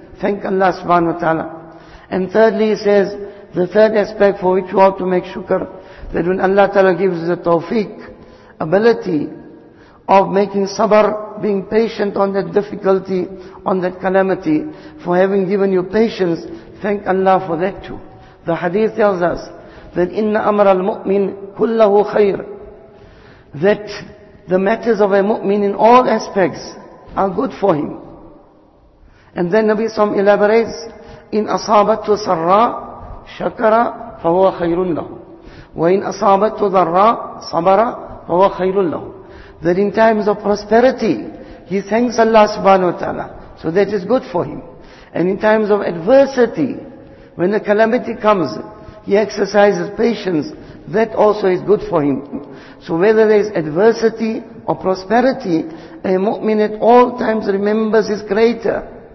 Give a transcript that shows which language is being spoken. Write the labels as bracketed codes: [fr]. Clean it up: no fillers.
[en] Thank Allah subhanahu wa ta'ala. And thirdly, he says, the third aspect for which you ought to make shukr, that when Allah Ta'ala gives you the tawfiq, ability of making sabr, being patient on that difficulty, on that calamity, for having given you patience, thank Allah for that too. The hadith tells us that [ar] إِنَّ أَمْرَ الْمُؤْمِنِ كُلَّهُ خَيْرٌ, [en] that the matters of a mu'min in all aspects are good for him. And then Nabi Sallallahu Alaihi Wasallam elaborates, [ar] in asabatu sarra شكر فهو خير له وإن أصابته ضراء صبر فهو خير له. [en] That in times of prosperity he thanks Allah subhanahu wa ta'ala, so that is good for him. And in times of adversity, when the calamity comes, he exercises patience, that also is good for him. So whether there is adversity or prosperity, a mu'min at all times remembers his creator.